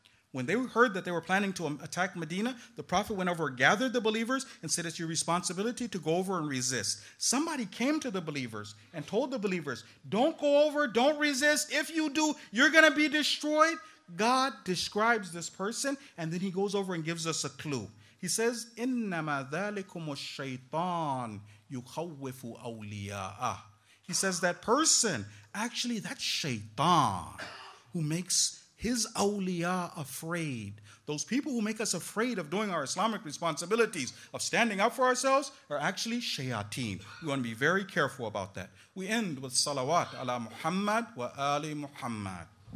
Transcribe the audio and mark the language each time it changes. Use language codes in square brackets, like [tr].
[en] When they heard that they were planning to attack Medina, the Prophet went over, gathered the believers, and said, it's your responsibility to go over and resist. Somebody came to the believers and told the believers, don't go over, don't resist. If you do, you're going to be destroyed. God describes this person, and then he goes over and gives us a clue. He says, [ar] إِنَّمَا ذَلِكُمُ الشَّيْطَانُ يُخَوِّفُ أَوْلِيَاءَهُ. [en] He says that person, actually that's shaitan who makes his awliya afraid. Those people who make us afraid of doing our Islamic responsibilities, of standing up for ourselves, are actually shayateen. We want to be very careful about that. We end with [ar] salawat ala Muhammad wa ali Muhammad.